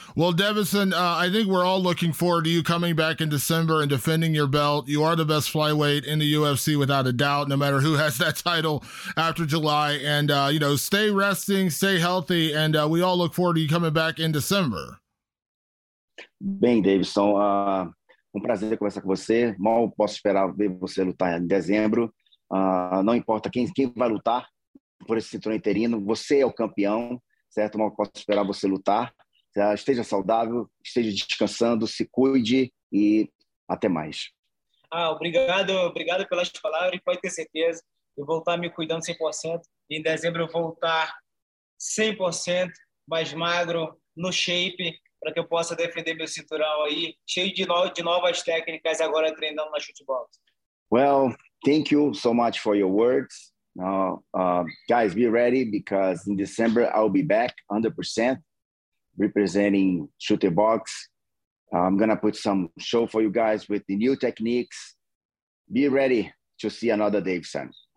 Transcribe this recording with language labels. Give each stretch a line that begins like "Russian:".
English: Well, Devison, I think we're all looking forward to you coming back in December and defending your belt. You are the best flyweight in the UFC without a doubt, no matter who has that title after July. And, you know, stay resting, stay healthy. And we all look forward to you coming back in December.
Portuguese: Bem, Davidson, um prazer conversar com você. Mal posso esperar ver você lutar em dezembro. Não importa quem vai lutar por esse cinturão interino, você é o campeão, certo? Mal posso esperar você lutar. Esteja saudável, esteja descansando, se cuide e até mais. Ah, obrigado pelas palavras. Pode ter certeza, eu vou estar me cuidando 100%. E em dezembro eu vou estar 100% mais magro, no shape, para que eu possa defender meu cinturão aí, cheio de novas técnicas agora treinando na Shootbox.
English: Well, thank you so much for your words. Guys, be ready because in December I'll be back 100% representing Shootbox. I'm going to put some show for you guys with the new techniques. Be ready to see another Davidson.